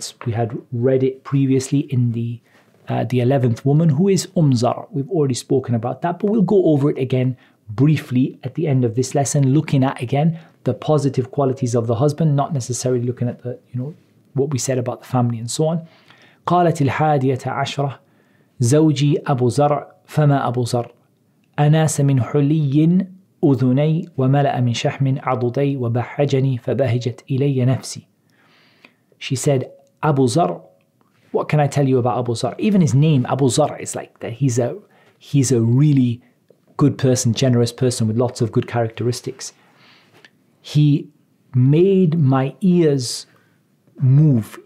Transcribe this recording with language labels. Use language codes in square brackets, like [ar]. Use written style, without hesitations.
[en] We had read it previously in the 11th woman, who is Umzar. We've already spoken about that, but we'll go over it again briefly at the end of this lesson, looking at again the positive qualities of the husband, not necessarily looking at the, you know, what we said about the family and so on. [ar] قالت الحادية عشرة زوجي أبو زرع فما أبو زرع أناس من حلي أذني وملأ من شحم عضدي وبحجني فبهجت إلي نفسي. [en] She said, Abu Zar, what can I tell you about Abu Zar? Even his name, Abu Zar, is like that. He's a really good person, generous person with lots of good characteristics. He made my ears move.